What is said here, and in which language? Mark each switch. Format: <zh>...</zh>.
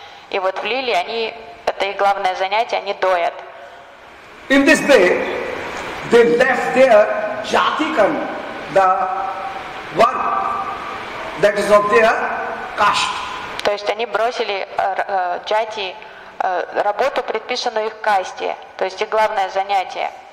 <ru>И вот в Лиле они, это их главное занятие, они доят.</ru> <en>In this way, they left their jatikan, the work that is of their caste.</en> <ru>То есть они бросили джати, работу, предписанную их касте, то есть их главное занятие.</ru>